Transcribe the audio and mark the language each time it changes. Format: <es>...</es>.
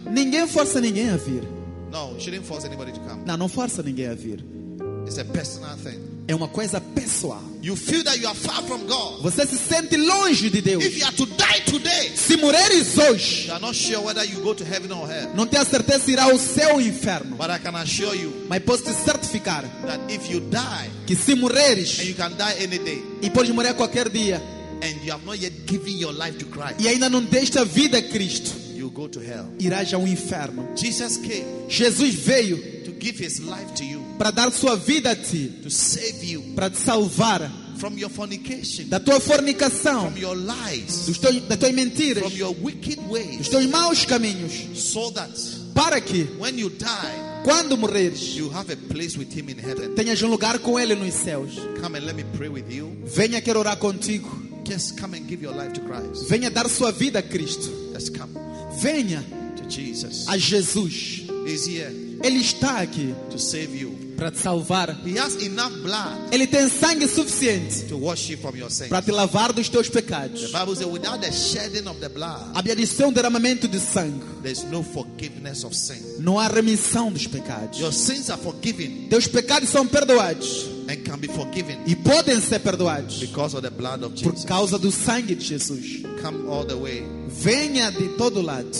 <pt>Ninguém força ninguém a vir.</pt> <en>No, you shouldn't force anybody to come.</en> <pt>Não, não força ninguém a vir.</pt> <en>It's a personal thing.</en> <pt>É uma coisa pessoal.</pt> <en>You feel that you are far from God.</en> <pt>Você se sente longe de Deus.</pt> <en>If you are to die today,</en> <pt>se morreres hoje,</pt> <en>you are not sure whether you go to heaven or hell.</en> <pt>Não tenho certeza se irá ao céu ou ao inferno.</pt> <en>But I can assure you,</en> <pt>mas posso te certificar</pt> <en>that if you die,</en> <pt>que se morreres,</pt> <en>and you can die any day,</en> <pt>e podes morrer qualquer dia,</pt> <en>and you have not yet given your life to Christ,</en> <pt>e ainda não deste a vida a Cristo,</pt> <en>you go to hell.</en> <pt>Irá já ao inferno.</pt> <en>Jesus came.</en> <pt>Jesus veio</pt> <en>to give his life to you.</en> <pt>Para dar sua vida a ti.</pt> <en>To save you.</en> <pt>Para te salvar.</pt> <en>From your fornication.</en> <pt>Da tua fornicação.</pt> <en>From your lies.</en> <pt>Da tua mentira.</pt> <en>From your wicked ways.</en> <pt>Dos teus maus caminhos.</pt> <en>So that</en> <pt>para que</pt> <en>when you die,</en> <pt>quando morreres,</pt> <en>you have a place with him in heaven.</en> <pt>Tenhas lugar com ele nos céus.</pt> <en>Come and let me pray with you.</en> <pt>Venha quero orar contigo.</pt> <en>Just come and give your life to Christ.</en> <pt>Venha dar sua vida a Cristo.</pt> <en>Just come.</en> <pt>Venha</pt> <en>to Jesus.</en> <pt>A Jesus.</pt> <en>He's here.</en> <pt>Ele está aqui</pt> <en>to save you.</en> <pt>para te salvar.</pt> <en>He has enough blood.</en> <pt>Ele tem sangue suficiente</pt> <en>to wash you from your sins.</en> <pt>Para te lavar dos teus pecados.</pt> <en>The Bible says, without the shedding of the blood,</en> <pt>a Bíblia diz, sem um derramamento de sangue,</pt> <en>there's no forgiveness of sin.</en> <pt>Não há remissão dos pecados.</pt> <en>Your sins are forgiven.</en> <pt>Teus pecados são perdoados.</pt> <en>And can be forgiven.</en> <pt>E podem ser perdoados.</pt> <en>Because of the blood of Jesus.</en> <pt>Por causa do sangue de Jesus.</pt> <en>Come all the way.</en> <pt>Venha de todo lado.</pt>